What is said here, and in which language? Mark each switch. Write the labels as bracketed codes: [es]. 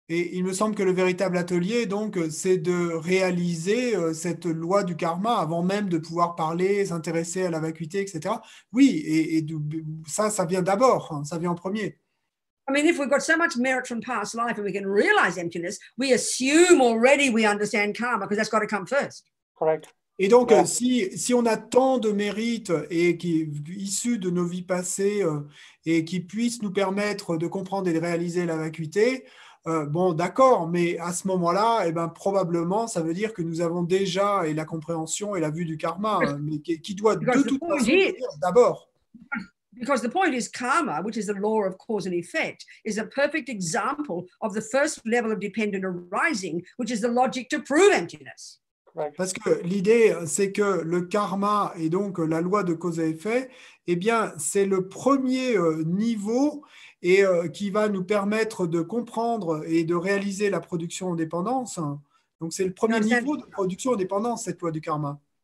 [fr] Et il me semble que le véritable atelier, donc, c'est de réaliser cette loi du karma avant même de pouvoir parler, s'intéresser à la vacuité, etc. Oui, ça vient d'abord, hein, ça vient en premier. [en] I mean, if we've got so much merit from past life and we can realize emptiness, we assume already we understand karma because that's got to come first. Correct. [fr] Et donc, si on a tant de mérites et qui issus de nos vies passées et qui puissent nous permettre de comprendre et de réaliser la vacuité, bon, d'accord, mais à ce moment-là, eh ben, probablement, ça veut dire que nous avons déjà et la compréhension et la vue du karma, mais qui doit de toute façon venir d'abord. [en] Because the point is karma, which is the law of cause and effect, is a perfect example of the first level of dependent arising, which is the logic to prove emptiness. [fr] Parce que l'idée, c'est que le karma et donc la loi de cause et effet, eh bien, c'est le premier niveau et qui va nous permettre de comprendre et de réaliser la production en dépendance. Donc, c'est le premier niveau de production en dépendance, cette loi du karma.